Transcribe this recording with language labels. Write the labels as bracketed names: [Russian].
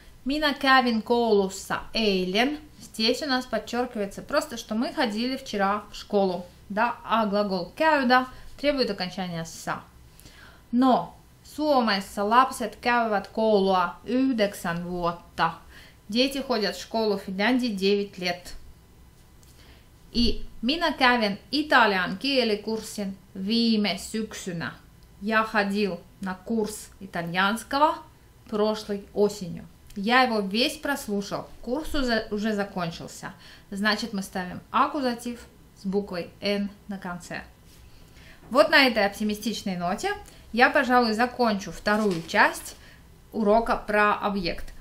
[Finnish] Minä kävin koulussa eilen. [Russian] Здесь у нас подчеркивается просто, что мы ходили вчера в школу. Да? А глагол käydä требует окончания са. Но... [Finnish] Suomessa lapset käyvät koulua 9 vuotta. [Russian] Дети ходят в школу в Финляндии 9 лет. [Finnish] И minä kävin italian kielikurssin viime syksynä. [Russian] Я ходил на курс итальянского прошлой осенью. Я его весь прослушал. Курс уже закончился. Значит, мы ставим аккузатив с буквой N на конце. Вот на этой оптимистичной ноте я, пожалуй, закончу вторую часть урока про объект.